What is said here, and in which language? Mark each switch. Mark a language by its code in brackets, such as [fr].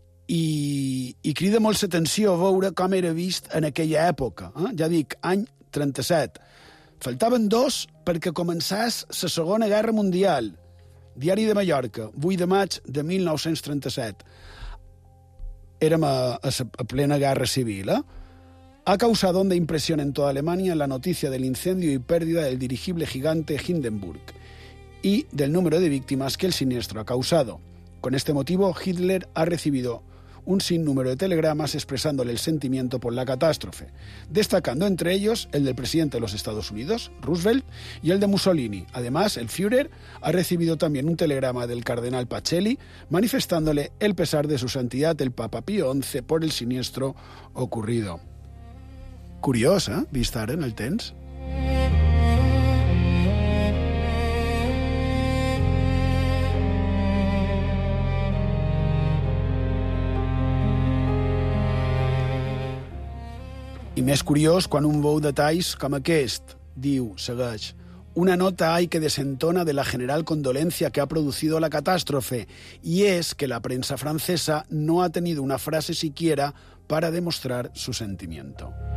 [ca] I crida molt l'atenció veure com era vist en aquella època. Ja dic, any 37. Faltaven dos perquè començàs la Segona Guerra Mundial. Diari de Mallorca, 8 de maig de 1937. Érem a plena Guerra Civil, [es] Ha causado honda impresión en toda Alemania la noticia del incendio y pérdida del dirigible gigante Hindenburg y del número de víctimas que el siniestro ha causado. Con este motivo, Hitler ha recibido un sinnúmero de telegramas expresándole el sentimiento por la catástrofe, destacando entre ellos el del presidente de los Estados Unidos, Roosevelt, y el de Mussolini. Además, el Führer ha recibido también un telegrama del cardenal Pacelli manifestándole el pesar de su santidad, el Papa Pío XI, por el siniestro ocurrido. [ca] Curiosa, ¿eh?, vista ara en el temps. I més curiós quan un veu detalls com aquest. Diu, segueix, [es] una nota hay que desentona de la general condolencia que ha producido la catástrofe, y es que la prensa francesa no ha tenido una frase siquiera para demostrar su sentimiento.